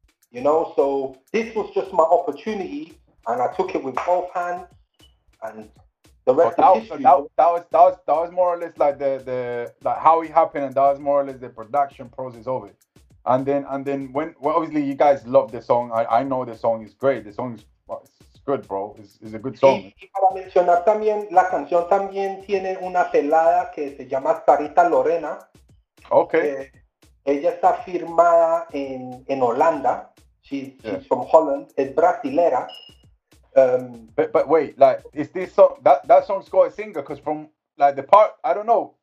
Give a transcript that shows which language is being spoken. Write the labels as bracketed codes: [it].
[en] You know, so this was just my opportunity and I took it with both hands and the rest of history. That was more or less like the how it happened, and that was more or less the production process of it. And then when obviously you guys love the song. I know the song is great. The song is good, bro. It's a good song. [es] Y para mencionar también, la canción también tiene una pelada que se llama Sarita Lorena. [en] Okay. [es] Ella está firmada en Holanda. [en] She's from Holland. Es brasilera. But wait, like, is this song, that song's called a singer? Because from, like, the part, I don't know.